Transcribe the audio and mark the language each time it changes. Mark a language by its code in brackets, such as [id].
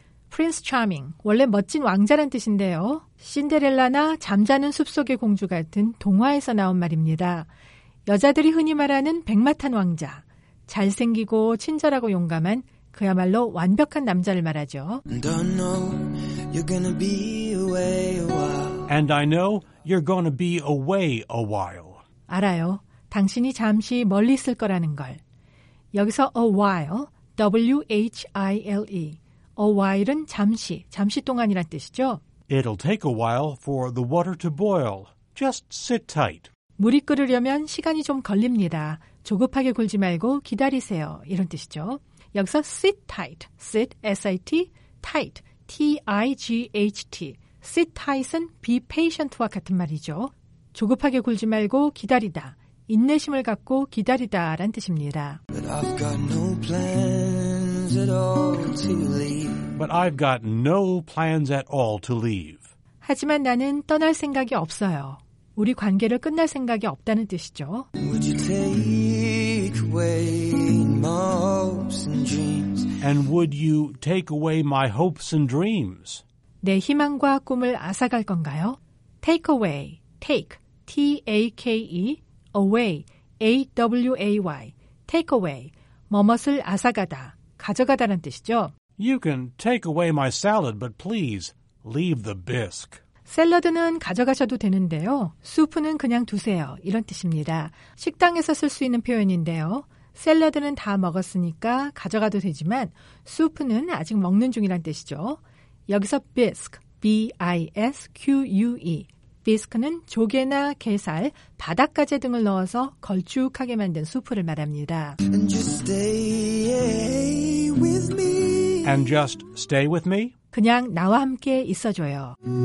[ko] Prince Charming, 원래 멋진 왕자란 뜻인데요. 신데렐라나 잠자는 숲속의 공주 같은 동화에서 나온 말입니다. 여자들이 흔히 말하는 백마탄 왕자. 잘생기고 친절하고 용감한 그야말로 완벽한 남자를 말하죠. [en] And I know you're gonna be away a while. And I know you're gonna be away a while. [ko] 알아요. 당신이 잠시 멀리 있을 거라는 걸. [en] 여기서 a while, W-H-I-L-E. [ko] A while은 잠시, 잠시 동안이란 뜻이죠. [en] It'll take a while for the water to boil. Just sit tight. [ko] 물이 끓으려면 시간이 좀 걸립니다. 조급하게 굴지 말고 기다리세요. 이런 뜻이죠. [en] 여기서 sit tight, sit, S-I-T, tight, T-I-G-H-T. [ko] Sit tight은 [en] be patient [ko] 와 같은 말이죠. 조급하게 굴지 말고 기다리다. 인내심을 갖고 기다리다 라는 뜻입니다. [en] But I've got no plans at all to leave. But I've got no plans at all to leave. [ko] 하지만 나는 떠날 생각이 없어요. 우리 관계를 끝낼 생각이 없다는 뜻이죠. [en] Would you take away my hopes and dreams? And would you take away my hopes and dreams? [ko] 내 희망과 꿈을 앗아갈 건가요? [en] Take away. Take. T-A-K-E. Away, A-W-A-Y, take away, [ko] 뭐뭇을 앗아가다, 가져가다란 뜻이죠. [en] You can take away my salad, but please leave the bisque. [ko] 샐러드는 가져가셔도 되는데요. 수프는 그냥 두세요. 이런 뜻입니다. 식당에서 쓸 수 있는 표현인데요. 샐러드는 다 먹었으니까 가져가도 되지만 수프는 아직 먹는 중이란 뜻이죠. [en] 여기서 bisque, B-I-S-Q-U-E. [ko] 비스크는 조개나 게살, 바닥가재 등을 넣어서 걸쭉하게 만든 수프를 말합니다. [en] And just stay with me. And just stay with me? [ko] 그냥 나와 함께 있어줘요.